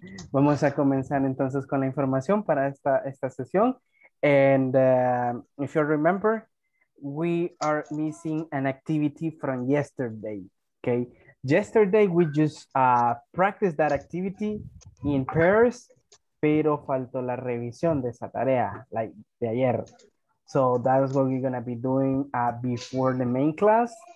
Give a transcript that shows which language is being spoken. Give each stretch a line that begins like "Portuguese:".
Spanish: Vamos a comenzar entonces con la información para esta sesión.
English: And if you remember, we are missing an activity from yesterday. Okay. Yesterday, we just practiced that activity in pairs.
Spanish: Pero faltó la revisión de esa tarea, like de ayer.
English: So that's what we're going to be doing before the main class.